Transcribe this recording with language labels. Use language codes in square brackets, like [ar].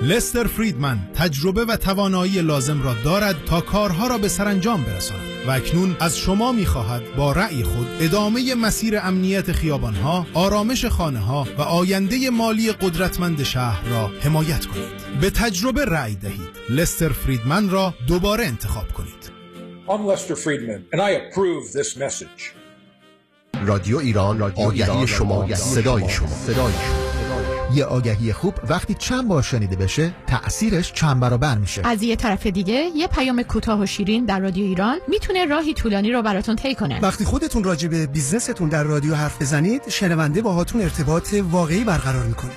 [fa] لستر فریدمن تجربه و توانایی لازم را دارد تا کارها را به سرانجام برساند و اکنون از شما می خواهد با رأی خود ادامه مسیر امنیت خیابانها، آرامش خانه ها و آینده مالی قدرتمند شهر را حمایت کنید. به تجربه رأی دهید. لستر فریدمن را دوباره انتخاب کنید. [en] I'm Lester Friedman and I approve this message. [fa] رادیو ایران، آگهی شما، صدای شما، صدای شما. یه آگهی خوب وقتی چند بار شنیده بشه تأثیرش چند برابر میشه. از یه طرف دیگه یه پیام کوتاه و شیرین در رادیو ایران میتونه راهی طولانی رو براتون طی کنه. وقتی خودتون راجع به بیزنستون در رادیو حرف بزنید شنونده باهاتون ارتباط واقعی برقرار میکنه.